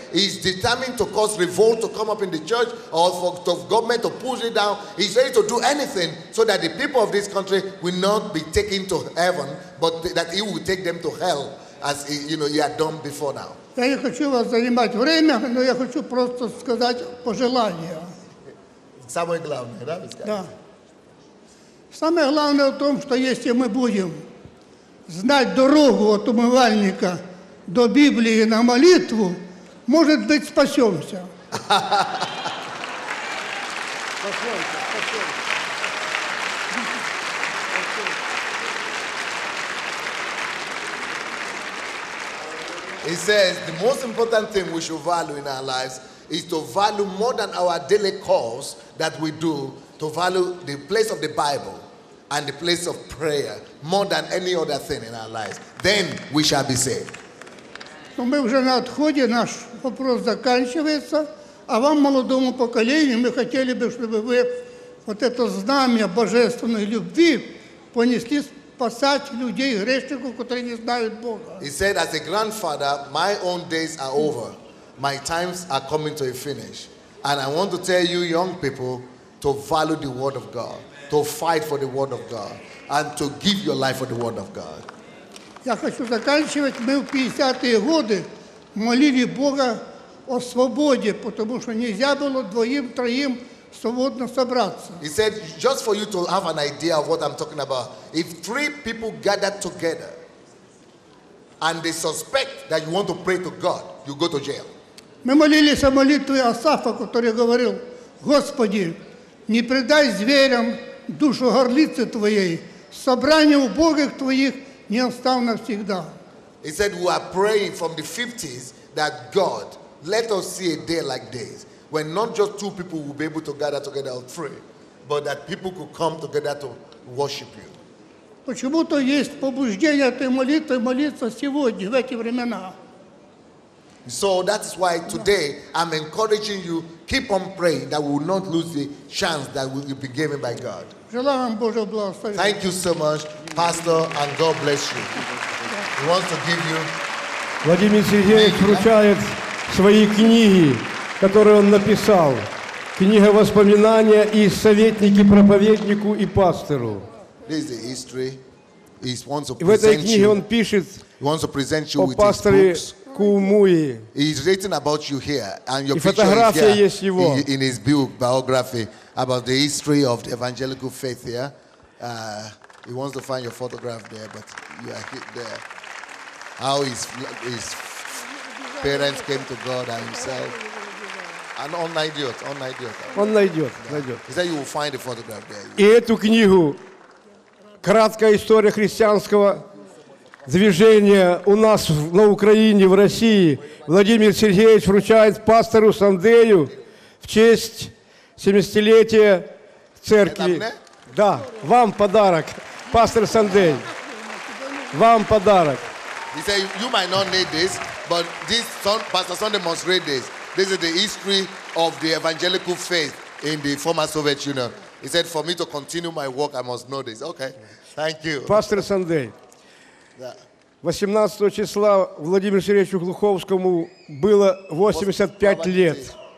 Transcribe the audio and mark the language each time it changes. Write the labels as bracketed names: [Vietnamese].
[English] He is determined to cause revolt to come up in the church or for the government to push it down. He is ready to do anything so that the people of this country will not be taken to heaven, but that he will take them to hell as he, you know, he had done before now. [Russian] Я не хочу вас занимать время, но я хочу просто сказать пожелание. Самое главное, да, вы сказали? Да. Самое главное в том, что если мы будем знать дорогу от умывальника до Библии на молитву, может быть, спасемся. [English] He says the most important thing we should value in our lives is to value more than our daily calls that we do, to value the place of the Bible and the place of prayer more than any other thing in our lives. Then we shall be saved. [Russian] Мы уже на отходе, наш вопрос заканчивается. А вам, молодому поколению, мы хотели бы, чтобы вы вот это знамя божественной любви понесли спасать людей, грешников, которые не знают Бога. [English] He said, as a grandfather, my own days are over. My times are coming to a finish. And I want to tell you young people to value the word of God, to fight for the word of God, and to give your life for the word of God. [Russian] Я хочу заканчивать. Мы в 50-е годы молили Бога о свободе, потому что нельзя было двоим-троим свободно собраться. [English] He said, just for you to have an idea of what I'm talking about, if three people gather together and they suspect that you want to pray to God, you go to jail. [Russian] Мы молились о молитве Асафа, который говорил, Господи, не предай зверям душу горлицы Твоей, собрание убогих Твоих не остав навсегда. [English] He said, we are praying from the 50s that God, let us see a day like this, when not just two people will be able to gather together or three, but that people could come together to worship you. [Russian] Почему-то есть побуждение этой молитвы молиться сегодня, в эти времена. [English] So that's why today I'm encouraging you, keep on praying that we will not lose the chance that will be given by God. [Russian] Желаю вам Божьего благословения. [English] Thank you so much, Pastor, and God bless you. He wants to give you... [Russian] Владимир Сергеевич вручает свои книги, которые он написал. Книга воспоминания и советники проповеднику и пастору. [English] This is the history. He wants to present you. [Russian] В этой книге он пишет о пасторе Кумуи. [English] He's written about you here, and your [Russian] и фотография [English] picture is here is in his biography about the history of the evangelical faith here. He wants to find your photograph there, but you are hit there. How his parents came to God and himself. An unidiot, unidiot. Unidiot, unidiot. He said you will find the photograph there. [Russian] И эту книгу «Краткая история христианского движения у нас на Украине, в России» Владимир Сергеевич вручает пастору Сандею в честь 70-летия церкви. Да, вам подарок, пастор Сандей. Вам подарок. [English] He said, you might not need this, but this son, Pastor Sunday must read this. This is the history of the evangelical faith in the former Soviet Union. He said, for me to continue my work, I must know this. Okay, thank you. [Russian] Pastor Sunday, 18 числа Владимиру Сергеевичу Глуховскому было 85 лет.